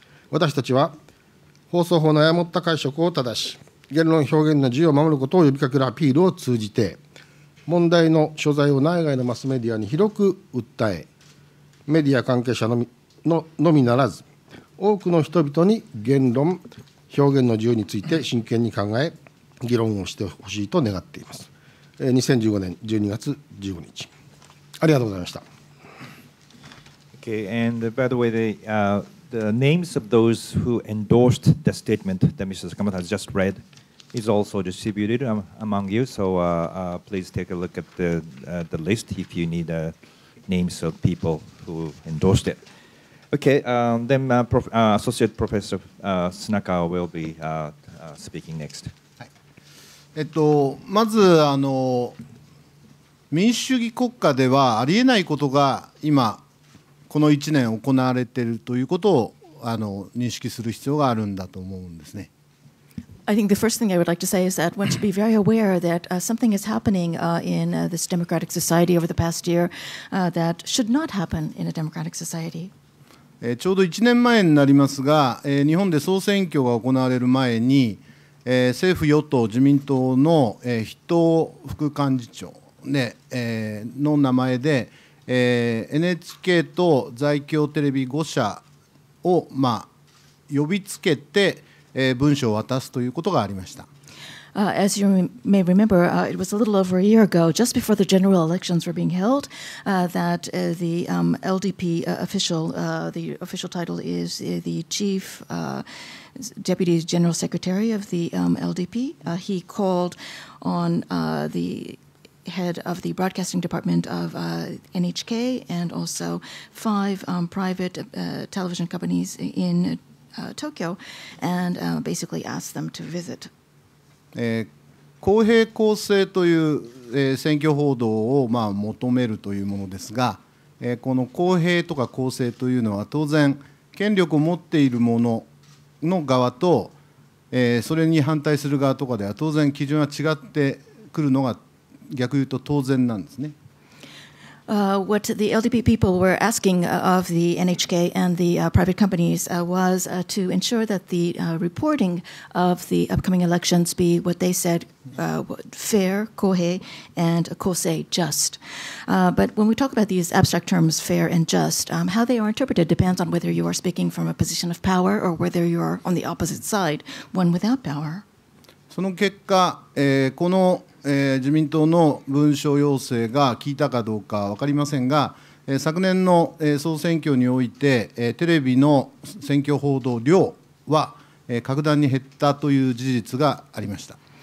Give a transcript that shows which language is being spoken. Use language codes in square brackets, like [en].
[ja] 私たちは放送法の誤った解釈を正し、言論表現の自由を守ることを呼びかけるアピールを通じて、問題の所在を内外のマスメディアに広く訴え、メディア関係者のみならず多くの人々に言論表現の自由について真剣に考え議論をしてほしいと願っています。 2015年12月15日ありがとうございました。 [en] Okay, and by the way, the names of those who endorsed the statement that Mr. Sakamoto has just read is also distributed among you, so please take a look at the list if you need names of people who endorsed it. Okay, then Associate Professor Sunaka will be speaking next. [ja] まずあの民主主義国家ではありえないことが今この1年行われているということをあの認識する必要があるんだと思うんですね。 [en] I think the first thing I would like to say is that one should be very aware that something is happening in this democratic society over the past year that should not happen in a democratic society. [ja] ちょうど1年前になりますが、日本で総選挙が行われる前に、政府与党自民党の筆頭副幹事長、ねの名前で、NHK と在京テレビ5社を、まあ、呼びつけて文書を渡すということがありました。 [en] As you may remember, it was a little over a year ago, just before the general elections were being held, that the LDP official, the official title is the chief deputy general secretary of the LDP. He called on the head of the broadcasting department of NHK and also five private television companies in Tokyo, and basically asked them to visit. [ja] 公平公正という選挙報道をまあ求めるというものですが、この公平とか公正というのは当然権力を持っている者の側と、それに反対する側とかでは当然基準は違ってくるのが逆言うと当然なんですね。 [en] What the LDP people were asking of the NHK and the private companies was to ensure that the reporting of the upcoming elections be what they said, fair, kohei, and kosei, just. But when we talk about these abstract terms, fair and just, how they are interpreted depends on whether you are speaking from a position of power or whether you are on the opposite side, one without power. [ja] その結果、この自民党の文書要請が聞いたかどうか分かりませんが、昨年の総選挙において、テレビの選挙報道量は格段に減ったという事実がありました。